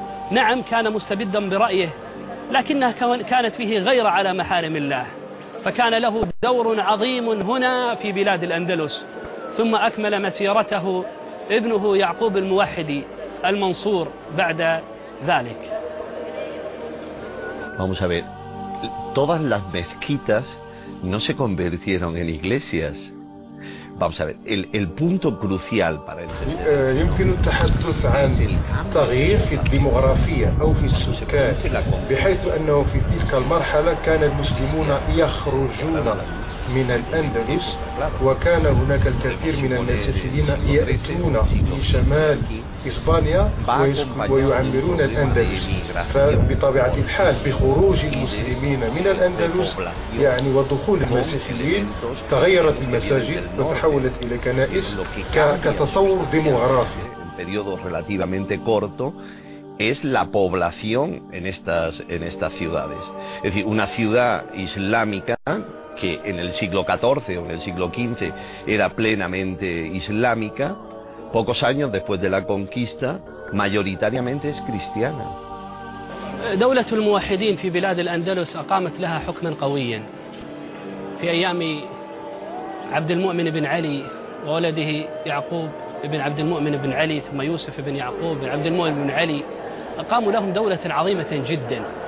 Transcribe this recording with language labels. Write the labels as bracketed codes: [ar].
[ar] نعم كان مستبدا برأيه، لكنه كانت فيه غير على محارم الله، فكان له دور عظيم هنا في بلاد الأندلس. ثم أكمل مسيرته ابنه يعقوب الموحدي المنصور بعد ذلك. [es] Vamos a ver. Todas las mezquitas no se convirtieron en iglesias. Vamos a ver, el punto crucial para entender. [ar] يمكن التحدث عن تغيير في الديموغرافية أو في السكان، بحيث أنه في تلك المرحلة كان المسلمون يخرجون من الأندلس، وكان هناك الكثير من المسيحيين يأتون من شمال إسبانيا ويعمرون الأندلس. فبطبيعة الحال بخروج المسلمين من الأندلس يعني ودخول المسيحيين، تغيرت المساجد وتحولت إلى كنائس كتطور ديموغرافي. [es] periodo relativamente corto es la población en estas ciudades. Es decir, una ciudad islámica que en el siglo XIV o en el siglo XV era plenamente islámica, pocos años después de la conquista mayoritariamente es cristiana. [ar] دولة الموحدين في بلاد الأندلس أقامت لها حكما قويا في أيام عبد المؤمن بن علي وولده يعقوب بن عبد المؤمن بن علي، ثم يوسف بن يعقوب بن عبد المؤمن بن علي، أقاموا لهم دولة عظيمة جدا.